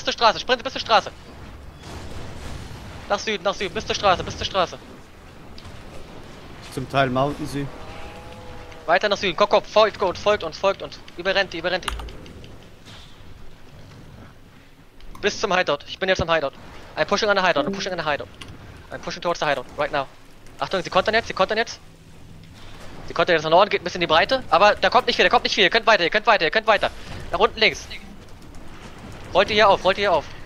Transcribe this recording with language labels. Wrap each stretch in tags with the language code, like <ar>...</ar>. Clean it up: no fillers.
<de>Sprint bis zur Straße. Nach Süden, bis zur Straße. Zum Teil mounten sie. Weiter nach Süden, folgt uns. Überrennt die. Bis zum Hideout, ich bin jetzt am Hideout.</de> <en>I'm pushing on the hideout. I'm pushing towards the hideout, right now.</en> <de>Achtung, sie kontern jetzt. Sie kontern jetzt nach Norden, geht ein bisschen in die Breite. Aber da kommt nicht viel. Ihr könnt weiter. Nach unten links. Rollt ihr hier auf.</de>